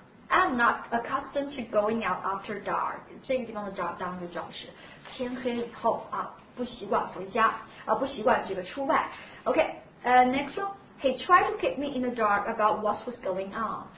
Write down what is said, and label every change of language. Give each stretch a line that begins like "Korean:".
English: I'm not accustomed to going out after dark。
Chinese: 这个地方的 dark 当然就表示天黑以后啊，不习惯回家啊，不习惯这个出外。
English: OK， next one。 He tried to keep me in the dark about what was going on.